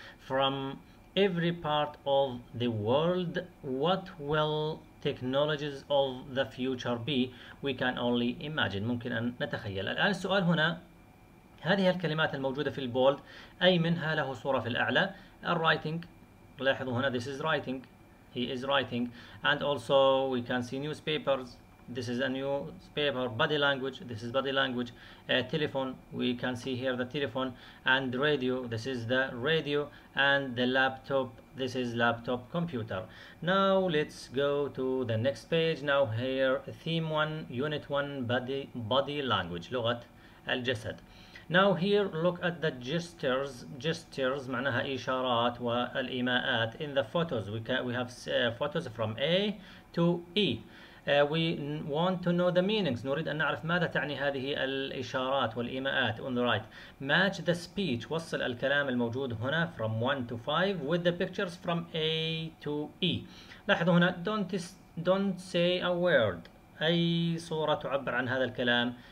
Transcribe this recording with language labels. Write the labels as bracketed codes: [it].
[en] From every part of the world, what will technologies of the future be? We can only imagine, [ar] ممكن أن نتخيل. الآن السؤال هنا, هذه الكلمات الموجودة في البولد, أي منها له صورة في الأعلى؟ الرايتنج, لاحظوا هنا, [en] this is writing, he is writing. And also we can see newspapers, this is a newspaper. Body language, this is body language. Telephone, we can see here the telephone. And radio, this is the radio. And the laptop, this is laptop computer. Now let's go to the next page. Now here theme 1, unit 1, body language, [ar] لغة الجسد. [en] Now here look at the gestures. [ar] Gestures معناها إشارات والإيماءات. [en] In the photos we have photos from A to E. We want to know the meanings, [ar] نريد أن نعرف ماذا تعني هذه الإشارات والإيماءات. [en] On the right, match the speech, [ar] وصل الكلام الموجود هنا [en] from 1 to 5 with the pictures from A to E. [ar] لاحظوا هنا, [en] don't say a word, [ar] أي صورة تعبر عن هذا الكلام.